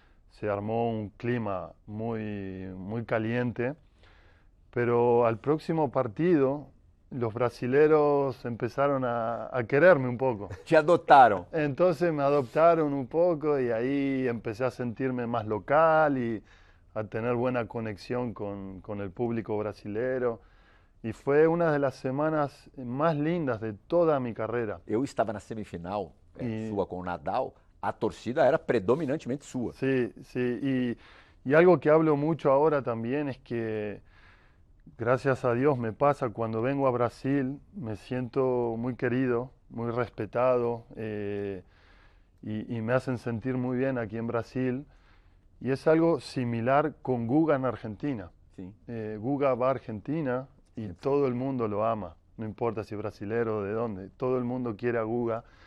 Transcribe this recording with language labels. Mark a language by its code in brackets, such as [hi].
[es] Se armó un clima muy, muy caliente, pero al próximo partido los brasileros empezaron a quererme un poco. Te adoptaron. Entonces me adoptaron un poco y ahí empecé a sentirme más local y a tener buena conexión con el público brasilero. [pt] E foi uma das semanas mais lindas de toda a minha carreira. Eu estava na semifinal sua com o Nadal, a torcida era predominantemente sua. Sim, sim. E algo que hablo muito agora também é que, graças a Deus, me passa quando vengo a Brasil, me sinto muito querido, muito respeitado, e [es] me hacen sentir [pt] muito bem aqui em Brasil. E é algo similar com Guga na Argentina. Sim. Guga vai à Argentina. [es] Y todo el mundo lo ama, no importa si brasilero o de dónde, todo el mundo quiere a Guga.